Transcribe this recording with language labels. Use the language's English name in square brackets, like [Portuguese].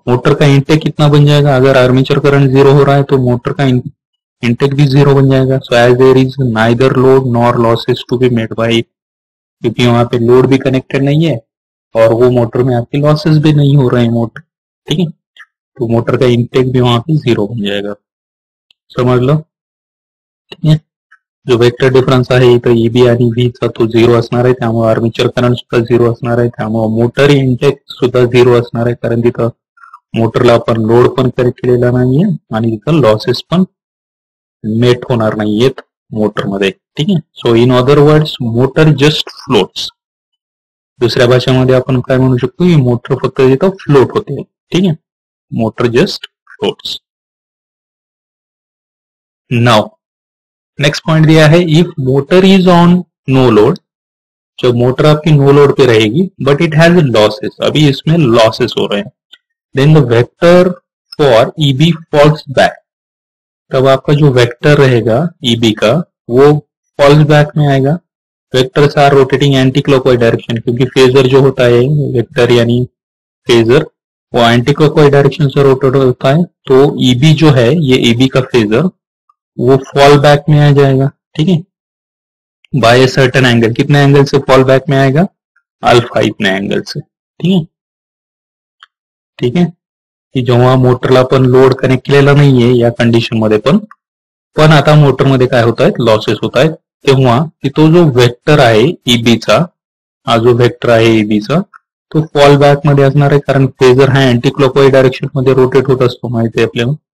[Hindi] Motor का intake कितना बन जाएगा, अगर आर्मेचर करंट जीरो हो रहा है तो मोटर का इंटेक भी जीरो बन जाएगा. [English] so as there is neither load nor losses to be made by, [Hindi] क्योंकि वहां पे लोड भी कनेक्टेड नहीं है और वो मोटर में आपके लॉसेस भी नहीं हो रहे हैं मोटर. ठीक है, तो मोटर का इंटेक भी वहां पे जीरो बन जाएगा, समझ लो. [Marathi] ठीक है, जो वेक्टर डिफरेंस आहे तो ई बी आणि व्ही चा तो जीरो असणार आहे, त्यामुळे आर्मेचर करंट सुद्धा जीरो असणार आहे, त्यामुळे मोटर इंटेक सुद्धा जीरो असणार आहे, कारण तिथं मोटरला आपण लोड पण कनेक्ट केलेला नाहीये आणि तिथं लॉसेस पण मेट होणार नाहीयेत मोटर मध्ये. ठीक आहे, [English] So in other words motor just floats. [Marathi] दुसऱ्या भाषेमध्ये आपण काय म्हणू शकतो, की मोटर फक्त इथं फ्लोट होते. [English] ठीक आहे, motor just floats. Now next point दिया है, if motor is on no load, [Hindi] जो मोटर आपकी नो लोड पे रहेगी [English] but it has losses, [Hindi] अभी इसमें लॉसेस हो रहे हैं, [English] Then the vector for EB falls back. [Hindi] तब आपका जो वेक्टर रहेगा ईबी का वो फॉल्स बैक में आएगा. [English] vectors are rotating anti clockwise direction, [Hindi] क्योंकि फेजर जो होता है वेक्टर यानी फेजर वो एंटी क्लॉकवाइज डायरेक्शन से रोटेट होता है, तो ईबी जो है ये ईबी का फेजर वो फॉल बैक में आ जाएगा. ठीक है, [English] By a certain angle. [Hindi] कितने एंगल से फॉल बैक में आएगा, अल्फा इतने एंगल से. [Marathi] ठीक है, ठीक है, जेव्हा मोटरला पण लोड कनेक्ट केलेला नाहीये या कंडिशन मध्ये पण आता मोटर मध्ये काय होत आहेत, लॉसेस होत आहेत, तेव्हा तो जो वेक्टर आहे ईबीचा, हा जो वेक्टर आहे ईबीचा तो फॉल बॅक मध्ये असणार आहे, कारण फेजर हा अँटी क्लॉकवाईज डायरेक्शन मध्ये रोटेट होत असतो, माहिती आहे आपल्याला.